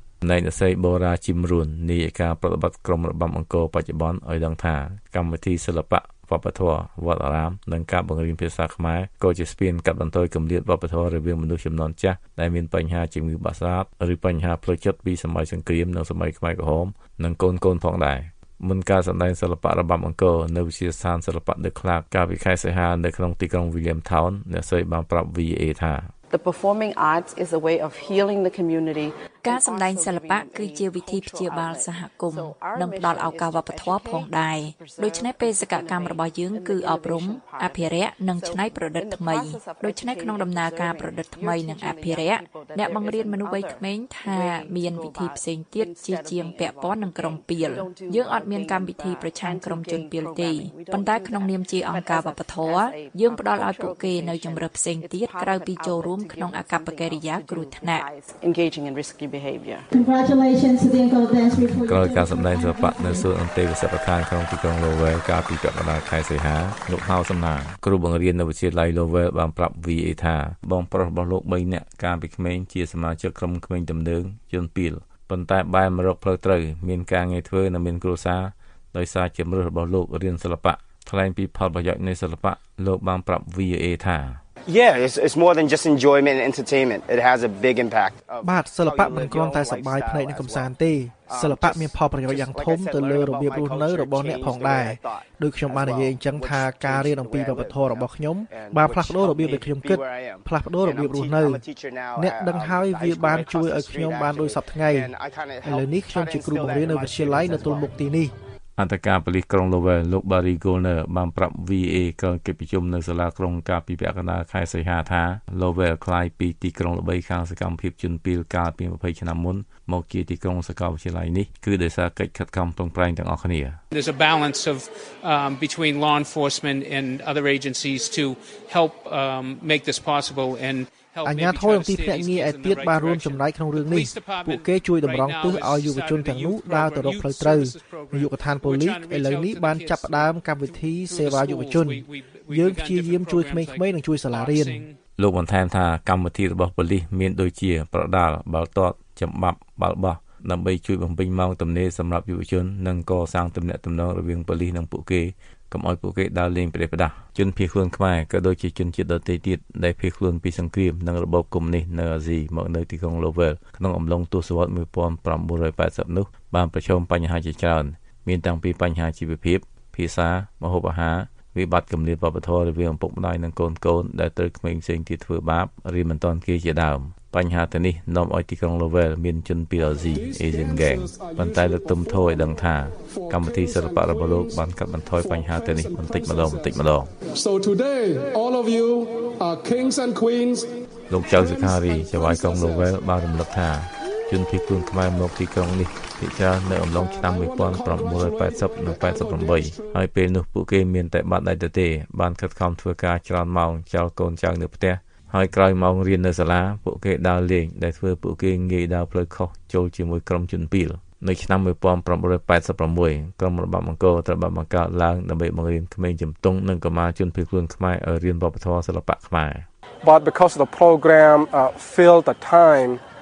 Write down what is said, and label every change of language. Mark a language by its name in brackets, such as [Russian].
[Khmer] អ្នកស្រីបូរ៉ាជីមរួននាយិកាប្រតិបត្តិក្រុមរបាំអង្គរបច្ចុប្បន្នឲ្យដឹងថាកម្មវិធីសិល្បៈវប្បធម៌វត្តអារាមនិងការបង្រៀនភាសាខ្មែរក៏ជាស្ពានកាត់បន្ថយគម្លាតវប្បធម៌រវាងមនុស្សជំនាន់ចាស់ដែលមានបញ្ហាជំងឺបាក់ស្រាតឬបញ្ហាផ្លូវចិត្តពីសម័យសង្គ្រាមនិងសម័យខ្មែរក្រហមនិងកូនកូនផងដែរមុនការសម្ដែងសិល្បៈរបាំអង្គរនៅវិទ្យាស្ថានសិល្បៈ The Clark កាលពីខែសីហានៅក្នុងទីក្រុង Williamstown អ្នកស្រីបានប្រាប់ VA ថា [English] The performing arts is a way of healing the community. [Khmer] ការសម្ដែងសិល្បៈគឺជាវិធីព្យាបាលសហគមន៍និងផ្ដល់ឱកាសវប្បធម៌ផងដែរ។ដូច្នេះបេសកកម្មរបស់យើងគឺអប់រំអភិរក្សនិងច្នៃប្រឌិតថ្មី។ដូច្នេះក្នុងដំណើរការប្រឌិតថ្មីនិងអភិរក្សអ្នកបង្រៀនមនុស្សវ័យក្មេងថាមានវិធីផ្សេងទៀតជាជាងពាក់ព័ន្ធនឹងក្រុមពាល ។យើងអត់មានកម្មវិធីប្រឆាំងក្រុមជនពាលទេ។ប៉ុន្តែក្នុងនាមជាអង្គការវប្បធម៌យើងផ្ដល់ឱ្យពួកគេនៅជំរើសផ្សេងទៀតក្រៅពីចូលរួមក្នុងអកប្បកិរិយាគ្រោះថ្នាក់។ [English] behavior. Congratulations to the Angola Dance Group for your great performance. [Khmer] ក្រោយការសម្ដែងសិល្បៈនៅសួនអន្តេវាសិកដ្ឋានក្នុងទីក្រុង Lowell កាលពីកាលដើមខែសីហាលោកហៅសំណាងគ្រូបង្រៀននៅវិទ្យាល័យ Lowell បានប្រាប់ VA ថាបងប្រុសរបស់លោក3នាក់កាលពីក្មេងជាសមាជិកក្រុមក្មេងទំនើងជនពីលប៉ុន្តែបែរមករកផ្លូវត្រូវមានការងារធ្វើនិងមានគ្រួសារដោយសារជំរឿនរបស់លោករៀនសិល្បៈថ្លែងពីផលប្រយោជន៍នៃសិល្បៈលោកបានប្រាប់ VA ថា [English] Yeah, it's more than just enjoyment and entertainment. It has a big impact. [Khmer] បាទសិល្បៈមិនគ្រាន់តែសប្បាយភ្នែកនឹងកំសាន្តទេសិល្បៈមានផលប្រយោជន៍យ៉ាងធំទៅលើរបៀបរស់នៅរបស់អ្នកផងដែរដូចខ្ញុំបាននិយាយអញ្ចឹងថាការរៀនអំពីវប្បធម៌របស់ខ្ញុំបានផ្លាស់ប្ដូររបៀបដែលខ្ញុំគិតផ្លាស់ប្ដូររបៀបរស់នៅអ្នកដឹងហើយវាបានជួយឲ្យខ្ញុំបានដូចសប្ដាហ៍ថ្ងៃឥឡូវនេះខ្ញុំជាគ្រូបង្រៀននៅវិទ្យាល័យនៅទូលមុខទីនេះ អន្តរការប៉ូលីសក្រុង Lowell លោក Barry Goldner បានប្រាប់ VA កាលពីប្រជុំនៅសាលាក្រុងកាពីពាក់កណ្ដាលខែសីហាថា Lowell ខ្លាយពីទីក្រុងល្បីខាងសកម្មភាពជនពីលកាលពី20ឆ្នាំមុនមកជាទីក្រុងសកលវិទ្យាល័យនេះគឺដោយសារកិច្ចខិតខំប្រឹងប្រែងទាំងអស់គ្នា [English] There's a balance of between law enforcement and other agencies to help make this possible and [Khmer] អាជ្ញាធរទីភ្នាក់ងារឯទៀតបានរួមចំណែកក្នុងរឿងនេះពួកគេជួយតម្រង់ទិសឲ្យយុវជនទាំងនោះដើរទៅរកផ្លូវត្រូវនាយកដ្ឋានប៉ូលីសឥឡូវនេះបានចាប់ផ្ដើមកម្មវិធីសេវាយុវជនយើងព្យាយាមជួយក្មេងៗនិងជួយសាលារៀន លោកបន្ថែមថាកម្មវិធីរបស់ប៉ូលីសមានដូចជាប្រដាល់បាល់ទាត់ចំបាប់បាល់បោះដើម្បីជួយបំពេញម៉ោងទំនេរសម្រាប់យុវជននិងកសាងទំនាក់ទំនងរវាងប៉ូលីសនិងពួកគេកុំឲ្យពួកគេដើរលេងប្រេះផ្ដាសជនភៀសខ្លួនខ្មែរក៏ដូចជាជនជាតិដទៃទៀតដែលភៀសខ្លួនពីសង្គ្រាមនិងរបបកុម្មុយនីសនៅអាស៊ីមកនៅទីក្រុង Lowell ក្នុងអំឡុងទសវត្ស 1980នោះបានប្រឈមបញ្ហាជាច្រើនមានទាំងពីបញ្ហាជីវភាពភាសាម្ហូបអាហារវិបត្តិគម្លាតវប្បធម៌រវាងឪពុកម្ដាយនិងកូនកូនដែលត្រូវក្មេងផ្សេងទៀតធ្វើបាបរៀនមិនទាន់គេជាដើមបញ្ហាទាំងនេះនាំឲ្យទីក្រុង Lowell មានជនពីអាស៊ី [English] Asian Gang [Khmer] ប៉ុន្តែលោកទុំថូឲ្យដឹងថាកម្មវិធីសិល្បៈរបស់លោកបានកាត់បន្ថយបញ្ហាទាំងនេះបន្តិចម្ដងបន្តិចម្ដង [English] So today all of you are kings and queens [Khmer] លោកចៅសុខារីជាវាយក្រុង Lowell បានរំលឹកថាជនភៀសខ្លួនខ្មែរមកទីក្រុងនេះភាគច្រើននៅអំឡុងឆ្នាំ1980និង88ហើយពេលនោះពួកគេមានតែបាត់ដៃទទេបានខិតខំធ្វើការច្រើនម៉ោងចាល់កូនចៅនៅផ្ទះហើយក្រោយម៉ោងរៀននៅសាលាពួកគេដើរលេងដែលធ្វើពួកគេងាយដើរផ្លូវខុសចូលជាមួយក្រុមជនពាលនៅឆ្នាំ1986ក្រុមរបបអង្គរត្រូវបានបង្កើតឡើងដើម្បីបង្រៀនក្មេងជំទង់និងកុមារជនភៀសខ្លួនខ្មែរឲ្យរៀនវប្បធម៌សិល្បៈខ្មែរ [English] But because of the program filled the time